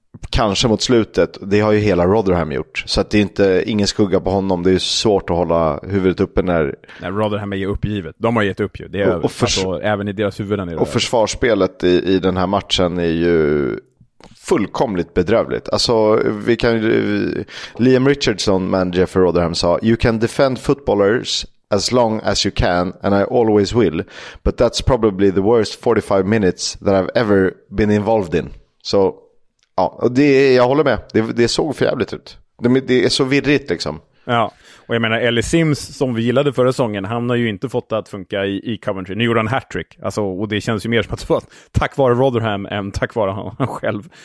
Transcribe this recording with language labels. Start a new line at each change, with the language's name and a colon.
Swedish: Kanske mot slutet, det har ju hela Rotherham gjort. Så att det är inte ingen skugga på honom. Det är ju svårt att hålla huvudet uppe när... Nej, Rotherham är ju uppgivet. De har gett upp ju. Det är och alltså, även i deras huvuden. Och försvarsspelet i den här matchen är ju fullkomligt bedrövligt. Alltså, vi kan ju...
English: Liam Richardson, manager
Swedish: för Rotherham, sa
English: "You can defend footballers as long as you can, and I always will. But that's probably the worst 45 minutes that I've ever been involved in."
Swedish: Så... Ja, och det, jag håller med. Det såg för jävligt ut. Det är så virrigt liksom. Ja, och jag menar, Ellis Sims, som vi gillade förra säsongen, han har ju inte fått det att funka i Coventry. Nu gjorde han hattrick. Alltså, och det känns ju mer som att tack vare Rotherham än tack vare han själv.